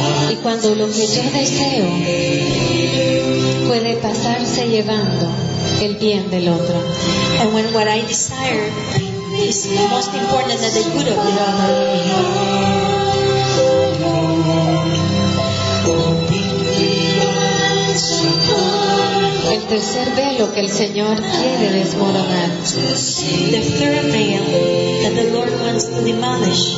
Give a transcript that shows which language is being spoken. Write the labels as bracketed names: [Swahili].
[Spanish] Y cuando lo que yo deseo puede pasarse llevando el bien del otro. [English] And when what I desire is most important than the good of the other. [Spanish] El tercer velo que el Señor quiere desmoronar. [English] The third veil that the Lord wants to demolish.